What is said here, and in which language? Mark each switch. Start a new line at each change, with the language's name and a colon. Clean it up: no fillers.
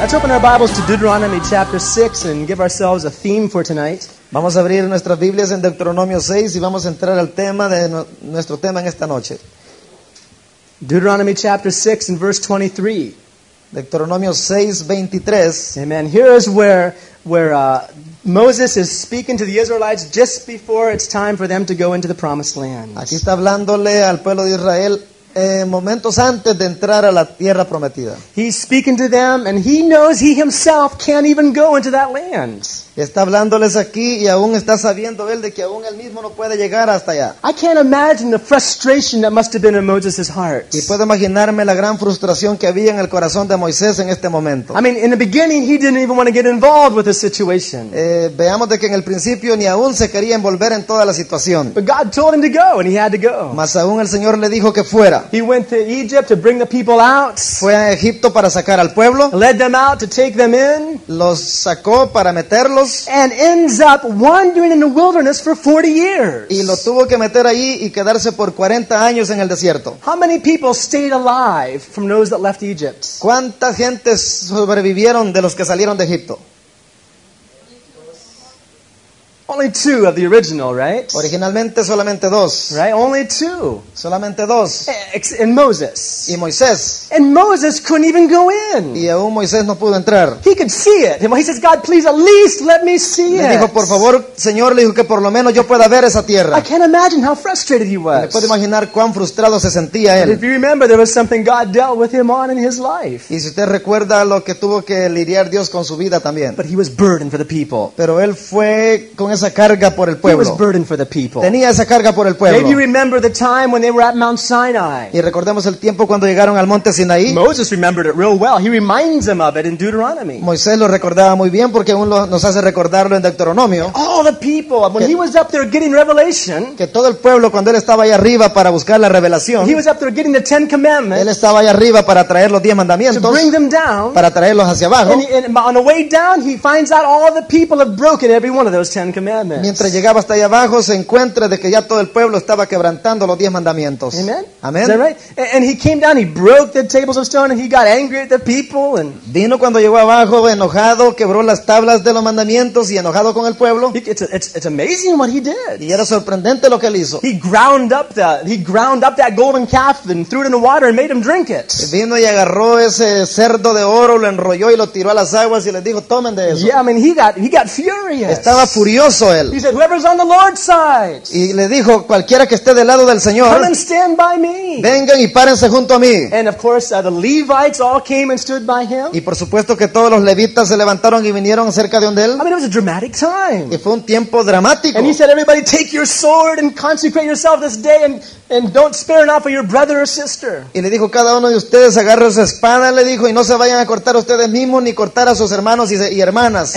English: Let's open our Bibles to Deuteronomy chapter 6 and give ourselves a theme for tonight.
Spanish: Vamos a abrir nuestras Biblias en Deuteronomio 6 y vamos a entrar al tema de nuestro tema en esta noche.
English: Deuteronomy chapter 6 and verse 23.
Spanish: Deuteronomio 6, 23.
English: Amen. Here is where Moses is speaking to the Israelites just before it's time for them to go into the promised land.
Spanish: Aquí está hablándole al pueblo de Israel momentos antes de entrar a la tierra prometida.
English: He's speaking to them and he knows he himself can't even go into that land.
Spanish: Está hablándoles aquí y aún está sabiendo él de que aún él mismo no puede llegar hasta allá.
English: I can't imagine the frustration that must have been in Moses' heart.
Spanish: Y puedo imaginarme la gran frustración que había en el corazón de Moisés en este momento.
English: I mean, in the beginning he didn't even want to get involved with the situation.
Spanish: Veamos de que en el principio ni aún se quería envolver en toda la situación.
English: But God told him to go and he had to go.
Spanish: Mas aún el Señor le dijo que fuera.
English: He went to Egypt to bring the people out.
Spanish: Fue a Egipto para sacar al pueblo.
English: Led them out to take them in.
Spanish: Los sacó para meterlos.
English: And ends up wandering in the wilderness for 40 years.
Spanish: Y lo tuvo que meter ahí y quedarse por 40 años en el desierto.
English: How many people stayed alive from those that left Egypt?
Spanish: ¿Cuánta gente sobrevivieron de los que salieron de Egipto?
English: Only two of the original, right?
Spanish: Originalmente solamente dos.
English: Right? Only two.
Spanish: Solamente dos.
English: And Moses.
Spanish: Y Moisés.
English: And Moses couldn't even go in.
Spanish: Y aún Moisés no pudo entrar.
English: He could see it. And he says, God, please at least let me see
Spanish: it. Le dijo, por favor, Señor, le dijo que por lo menos yo pueda ver esa tierra.
English: I can't imagine how frustrated he was.
Spanish: Me puedo imaginar cuán frustrado se sentía él.
English: But if you remember, there was something God dealt with him on in his life.
Spanish: Y si usted recuerda lo que tuvo que lidiar Dios con su vida también.
English: But he was burdened for the people.
Spanish: Pero él fue con esa carga por el pueblo.
English: He was burdened for the people.
Spanish: Tenía esa carga por el pueblo.
English: Maybe you remember the time when they were at Mount Sinai.
Spanish: Y recordemos el tiempo cuando llegaron al monte Sinaí.
English: Moses remembered it real well. He reminds them of it in Deuteronomy.
Spanish: Moisés lo recordaba muy bien porque aún nos hace recordarlo en Deuteronomio.
English: All the people, when he was up there getting revelation,
Spanish: que todo el pueblo cuando él estaba ahí arriba para buscar la revelación,
English: he was up there getting the Ten Commandments,
Spanish: él estaba ahí arriba para traer los 10 mandamientos,
English: to bring them down,
Spanish: para traerlos hacia abajo.
English: And on the way down, he finds out all the people have broken every one of those Ten Commandments.
Spanish: Mientras llegaba hasta allá abajo, se encuentra de que ya todo el pueblo estaba quebrantando los 10 mandamientos.
English: Amen. Is that right? And he came down, he broke the tables of stone, and he got angry at the people. And
Spanish: vino cuando llegó abajo, enojado, quebró las tablas de los mandamientos y enojado con el pueblo.
English: It's amazing what he did.
Spanish: Y era sorprendente lo que él hizo.
English: He ground up that golden calf and threw it in the water and made him drink it.
Spanish: Vino y agarró ese cerdo de oro, lo enrolló y lo tiró a las aguas y les dijo, tomen de eso.
English: Yeah, I mean, he got furious.
Spanish: Estaba furioso.
English: He said, "Whoever's on the Lord's side."
Spanish: Y le dijo, cualquiera que esté del lado del Señor.
English: Come and stand by me.
Spanish: Vengan y párense junto a mí.
English: And of course, the Levites all came and stood by him.
Spanish: Y por supuesto que todos los levitas se levantaron y vinieron cerca de donde él.
English: I mean, it was a dramatic time.
Spanish: Y fue un tiempo dramático.
English: And he said, "Everybody, take your sword and consecrate yourself this day, and don't spare an off of your brother or sister."
Spanish: Y le dijo, cada uno de ustedes agarre su espada. Le dijo, y no se vayan a cortar ustedes mismos ni cortar a sus hermanos y hermanas.